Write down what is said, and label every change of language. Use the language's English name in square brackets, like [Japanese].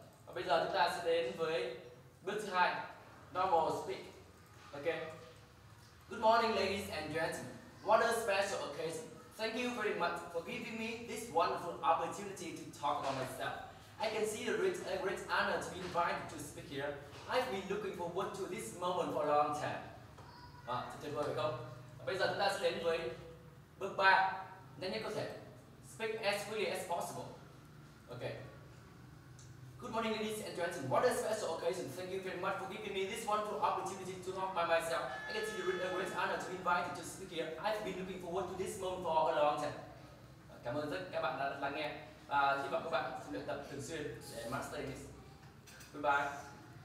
[Vietnamese] Và bây giờ chúng ta sẽ đến với bước thứ hai, [English] normal speak. Ok. Good morning, ladies and gentlemen. What a special occasion. Thank you very much for giving me this wonderful opportunity to talk about myself. I can see a great honor to be invited to speak here. I've been looking forward to this moment for a long time. [Vietnamese] Rất tuyệt vời phải không? Và bây giờ chúng ta sẽ đến với bước ba, nhanh nhất có thể. [English] Speak as freely as possible. Ok. Good morning, ladies and gentlemen. What a special occasion. Thank you very much for giving me this wonderful opportunity to talk by myself. I can see it's a great honor to be invited to speak here. I've been looking forward to this moment for a long time. [Vietnamese] Cảm ơn rất các bạn đã lắng nghe. Hy vọng các bạn sẽ luyện tập thường xuyên để [English] master this. Goodbye.